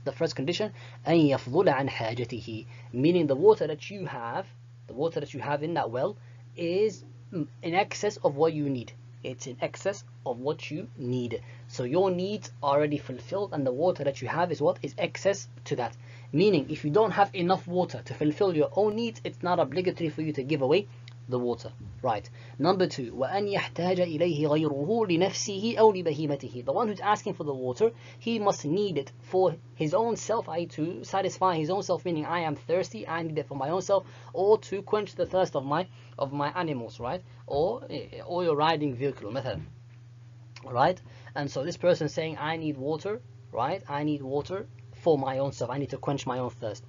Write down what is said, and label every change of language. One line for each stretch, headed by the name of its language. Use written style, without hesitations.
English: The first condition,
Arabic: أن يفضل عن حاجته,
English: meaning the water that you have in that well is in excess of what you need. It's in excess of what you need. So your needs are already fulfilled, and the water that you have is what? Is excess to that. Meaning, if you don't have enough water to fulfill your own needs, it's not obligatory for you to give away the water. Right. Number two,
Arabic: وَأَنْ يَحْتَاجَ إِلَيْهِ غَيْرُهُ لِنَفْسِهِ أَوْ لِبَهِيمَتِهِ.
English: The one who's asking for the water, he must need it for his own self, i.e. to satisfy his own self, meaning I am thirsty, I need it for my own self, or to quench the thirst of my animals, right? Or your riding vehicle, مثلا. Right? And so this person saying, I need water, right? I need water for my own self. I need to quench my own thirst.